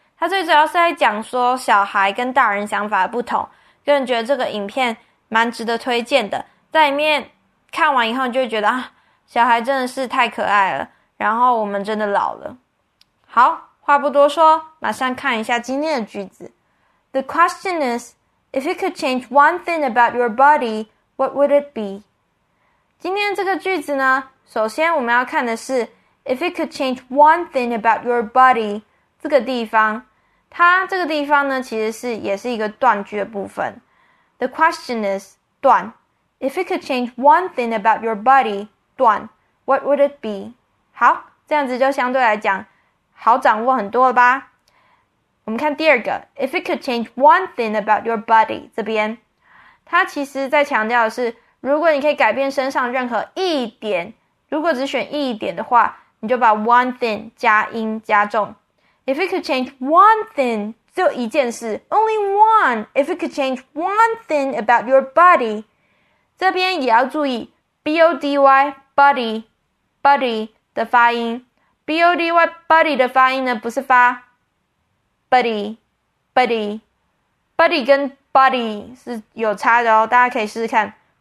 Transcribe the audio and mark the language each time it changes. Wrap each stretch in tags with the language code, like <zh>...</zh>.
<zh>它最主要是在讲说小孩跟大人想法不同。个人觉得这个影片蛮值得推荐的，在里面看完以后，你就会觉得啊，小孩真的是太可爱了。然后我们真的老了。好，话不多说，马上看一下今天的句子。</zh> <en>The question is, if you could change one thing about your body, what would it be?</en> <zh>今天这个句子呢，首先我们要看的是</zh> <en>"If you could change one thing about your body"</en> <zh>这个地方，它这个地方呢，其实是也是一个断句的部分。</zh> <en>The question is 断 "If you could change one thing about your body" 断 "What would it be?"</en> <zh>好，这样子就相对来讲好掌握很多了吧？我们看第二个</zh> <en>"If you could change one thing about your body"</en> <zh>这边，它其实在强调的是。如果你可以改变身上任何一点，如果只选一点的话，你就把 one thing 加音加重。</zh> <en>If you could change one thing，</en> <zh>只有一件事，</zh> <en>only one。 If you could change one thing about your body，</en> <zh>这边也要注意 body 的发音。 body body 的发音呢，不是发 body 跟 body 是有差的哦，大家可以试试看。</zh>